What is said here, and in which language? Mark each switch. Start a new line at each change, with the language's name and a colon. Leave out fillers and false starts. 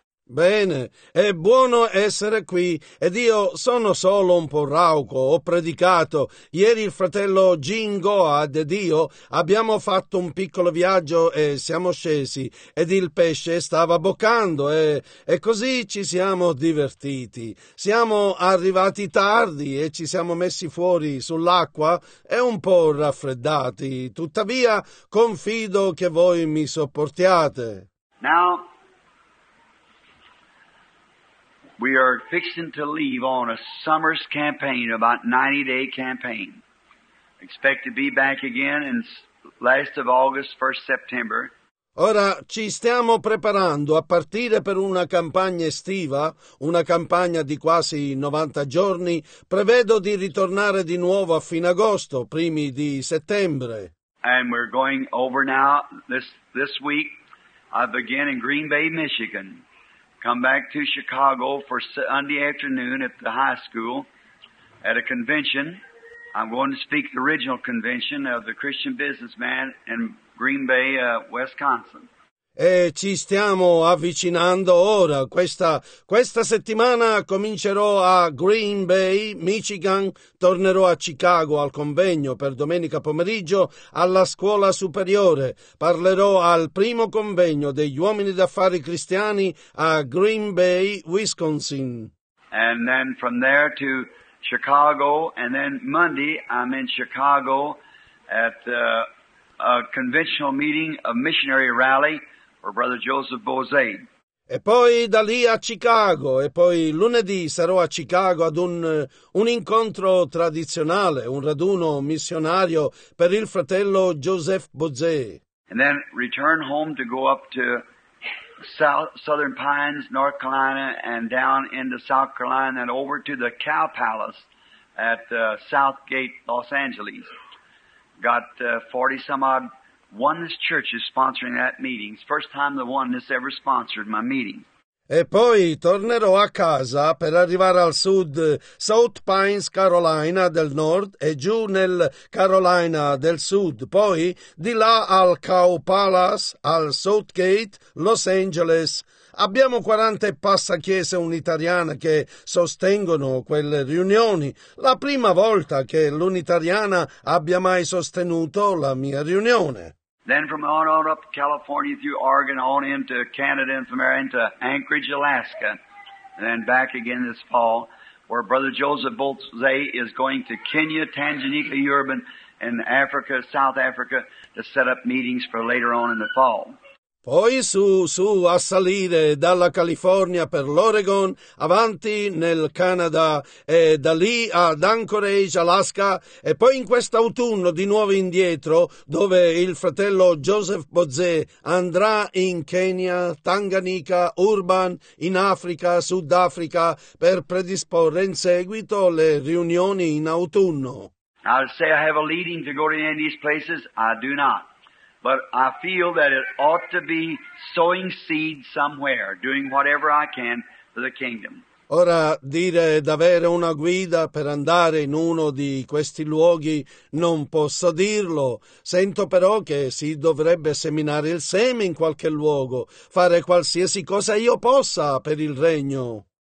Italian: Bene, è buono essere qui, ed io sono solo un po' rauco, ho predicato. Ieri il fratello Gene Goad ed io abbiamo fatto un piccolo viaggio e siamo scesi, ed il pesce stava boccando, e così ci siamo divertiti. Siamo arrivati tardi e ci siamo messi fuori sull'acqua e un po' raffreddati. Tuttavia, confido che voi mi sopportiate.
English: Now. We are fixing to leave on a summer's campaign, about 90-day campaign. Expect to be back again in last of August, first September.
Italian: Ora ci stiamo preparando a partire per una campagna estiva, una campagna di quasi 90 giorni. Prevedo di ritornare di nuovo a fine agosto, primi di settembre.
English: And we're going over now this week. I begin in Green Bay, Michigan. Come back to Chicago for Sunday afternoon at the high school at a convention. I'm going to speak the original convention of the Christian businessman in Green Bay, Wisconsin.
Italian: E ci stiamo avvicinando ora. Questa settimana comincerò a Green Bay, Michigan. Tornerò a Chicago al convegno per domenica pomeriggio alla scuola superiore. Parlerò al primo convegno degli uomini d'affari cristiani a Green Bay, Wisconsin.
English: And then from there to Chicago, and then Monday I'm in Chicago at a conventional meeting, a missionary rally. For Brother Joseph Bozay.
Italian: E poi da lì a Chicago, e poi lunedì sarò a Chicago ad un incontro tradizionale, un raduno missionario per il fratello Joseph Bozay.
English: And then return home to go up to Southern Pines, North Carolina, and down into South Carolina, and over to the Cow Palace at Southgate, Los Angeles. Got 40 some odd. Oneness Church is sponsoring that meeting. First time the Oneness ever sponsored my meeting.
Italian: E poi tornerò a casa per arrivare al sud, South Pines, Carolina del Nord, e giù nel Carolina del Sud. Poi di là al Cow Palace, al Southgate, Los Angeles. Abbiamo 40 e passa chiese unitariane che sostengono quelle riunioni. La prima volta che l'unitariana abbia mai sostenuto la mia riunione.
English: Then from on up California through Oregon on into Canada and from there into Anchorage, Alaska, and then back again this fall, where Brother Joseph Bozay is going to Kenya, Tanganyika, Urban, and Africa, South Africa, to set up meetings for later on in the fall.
Italian: Poi su a salire dalla California per l'Oregon, avanti nel Canada e da lì ad Anchorage, Alaska, e poi in quest'autunno di nuovo indietro, dove il fratello Joseph Bozay andrà in Kenya, Tanganyika, Urban, in Africa, Sud Africa, per predisporre in seguito le riunioni in autunno.
English: I say I have a leading to go to any of these places. I do not. But I feel that it ought to be sowing seed somewhere, doing whatever I can for the kingdom.
Italian: Ora, dire d'avere una guida per andare in uno di questi luoghi, non posso dirlo. Sento però che si dovrebbe seminare il seme in qualche luogo, fare qualsiasi cosa io possa per il regno.